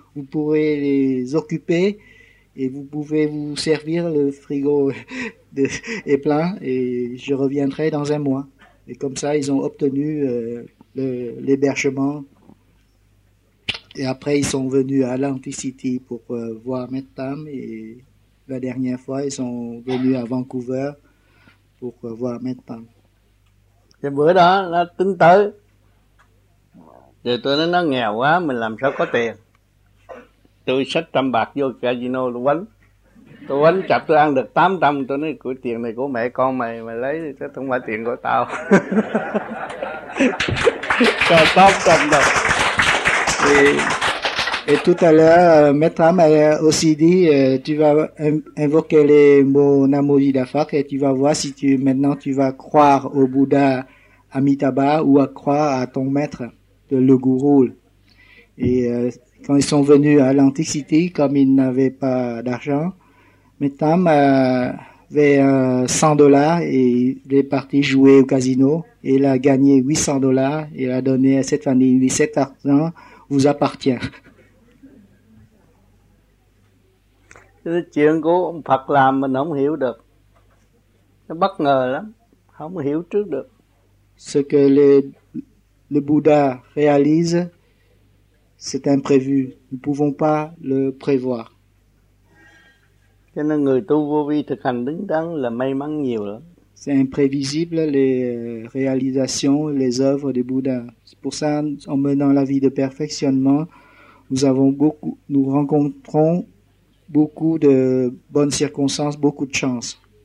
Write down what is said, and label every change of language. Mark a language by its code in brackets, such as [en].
[fr] Vous pourrez les occuper et vous pouvez vous servir le frigo est plein et je reviendrai dans un mois. Et comme ça, ils ont obtenu l'hébergement et après ils sont venus à l'Anticity pour voir Maître Tam et la dernière fois ils sont venus à Vancouver pour voir Maître Tam. [vi] Thì bữa đó nó tính tới, rồi tôi nói nó nghèo quá, mình làm sao có tiền. Tôi xách 100 bạc vô casino, tôi quánh chập, tôi ăn được 800. Tôi nói của tiền này của mẹ con mày, mày lấy thì chứ không phải tiền của tao. Cho 800 đồng. [fr] Et tout à l'heure, Maître Tam a aussi dit, tu vas invoquer les mots Namo Jidafar et tu vas voir si tu, maintenant tu vas croire au Bouddha Amitabha ou à croire à ton maître, le gourou. Et quand ils sont venus à l'Anticity, comme ils n'avaient pas d'argent, Maître Tam avait 100 dollars et il est parti jouer au casino et il a gagné 800 dollars et il a donné à cette famille, enfin, cet argent vous appartient. [vi] Chuyện của ông Phật làm mình không hiểu được. Nó bất ngờ lắm, không hiểu trước được. [fr] Ce que le Bouddha réalise, c'est imprévu. Nous ne pouvons pas le prévoir. [vi] Cho nên người tu vô vi thực hành đứng đắn là may mắn nhiều lắm. [fr] C'est imprévisible les réalisations, les œuvres du Bouddha. C'est pour ça, en menant la vie de perfectionnement, nous avons beaucoup, nous rencontrons beaucoup de bonnes circonstances, beaucoup de chance.